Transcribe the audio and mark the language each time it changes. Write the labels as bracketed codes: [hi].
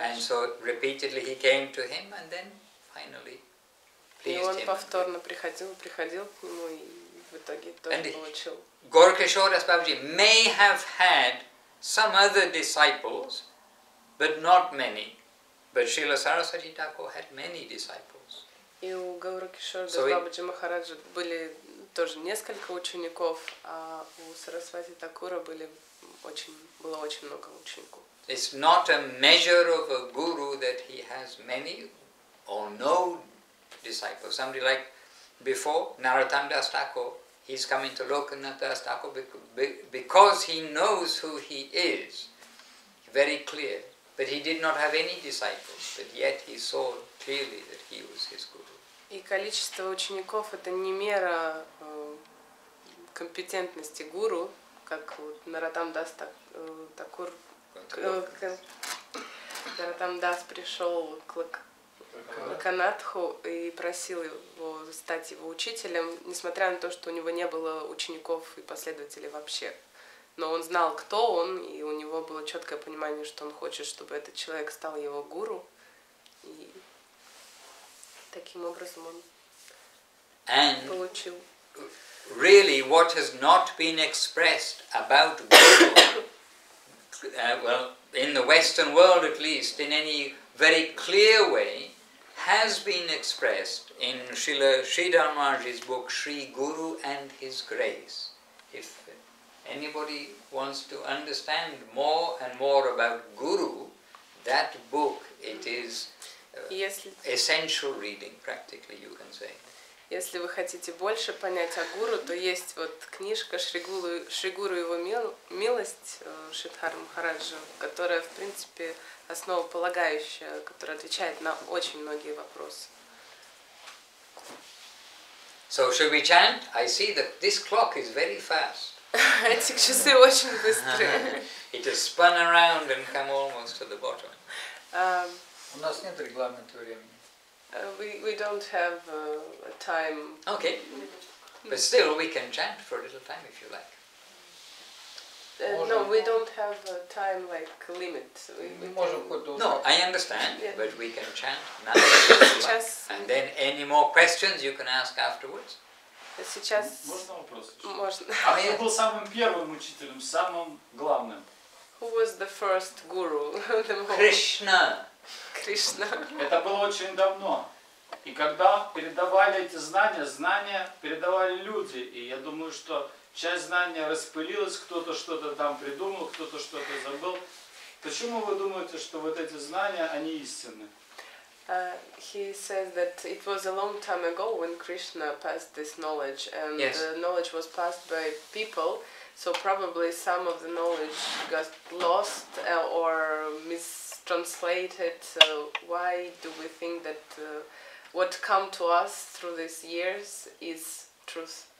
[en] And so repeatedly he came to him, and then finally pleased him. [ru] И он повторно приходил к нему, и в итоге тоже получил. [en] Gaur Kishore Das Babaji may have had some other disciples, but not many. But Srila Sarasvati Thakur had many disciples. [ru] И у Гаур Кишора Дас Бабаджи Махараджа были тоже несколько учеников, а у Сарасвати Такура было очень много учеников. [en] It's not a measure of a guru that he has many or no disciples. Somebody like before Narottam Das Thakur. He's coming to Lokanath Das Thakur because he knows who he is, very clear. But he did not have any disciples, but yet he saw clearly that he was his guru. [ru] И количество учеников – это не мера компетентности гуру, как Narottam Das Thakur. Narottam Das пришел к Лаканатху и просил его стать его учителем, несмотря на то, что у него не было учеников и последователей вообще. Но он знал, кто он, и у него было четкое понимание, что он хочет, чтобы этот человек стал его гуру. И таким образом он получил. [en] Really, what has not been expressed about guru, well, in the Western world at least, in any very clear way, has been expressed in Srila Sridhar Maharaj's book Sri Guru and His Grace. If anybody wants to understand more and more about Guru, that book, it is essential reading, practically, you can say. [ru] Если вы хотите больше понять о Гуру, то есть вот книжка Шри Гуру и его милость Шридхара Махараджа, которая, в принципе, основополагающая, которая отвечает на очень многие вопросы. [en] So should we chant? I see that this clock is very fast. [ru] Эти часы очень быстрые. [en] It has spun around and come almost to the bottom. [ru] У нас нет регламента времени. [en] We don't have a time. Okay. But still, we can chant for a little time if you like. No, we don't have a time like limit. No, I understand, yeah. But we can chant now. If you like. And then any more questions you can ask afterwards. [ru] Сейчас. Можно вопрос. Можно. А я был самым первым учителем, самым главным. [en] Who was the first guru? Krishna. [ru] Кришна. Это было очень давно. И когда передавали эти знания, знания передавали люди. И я думаю, что часть знания распылилась, кто-то что-то там придумал, кто-то что-то забыл. Почему вы думаете, что вот эти знания, они истинны? [en] He says that it was a long time ago when Krishna passed this knowledge, and yes, the knowledge was passed by people, so probably some of the knowledge got lost or mistranslated. So why do we think that what come to us through these years is truth?